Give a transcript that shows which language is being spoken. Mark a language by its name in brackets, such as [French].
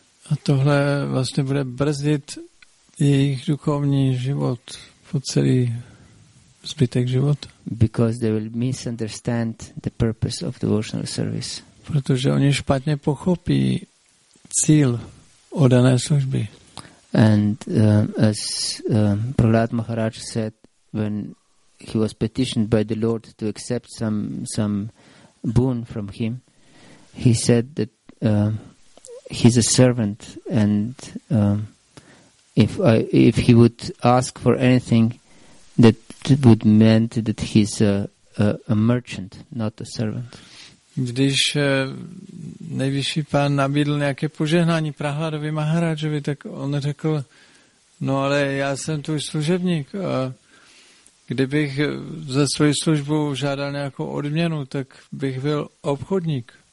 [Czech] A tohle vlastně bude brzdit jejich duchovní život po celý zbytek života. [English] Because they will misunderstand the purpose of devotional service. [Czech] Protože oni špatně pochopí cíl oddané služby. [English] And as Prahlad Maharaj said, when he was petitioned by the Lord to accept some boon from him, he said that he's a servant, and if he would ask for anything, that would meant that he's a merchant, not a servant. [Czech] Když nejvyšší pán nabídl nějaké požehnání Prahladovi Maharajovi, tak on řekl, no ale já jsem tvůj služebník. Kdybych za svoji službu žádal nějakou odměnu, tak bych byl obchodník.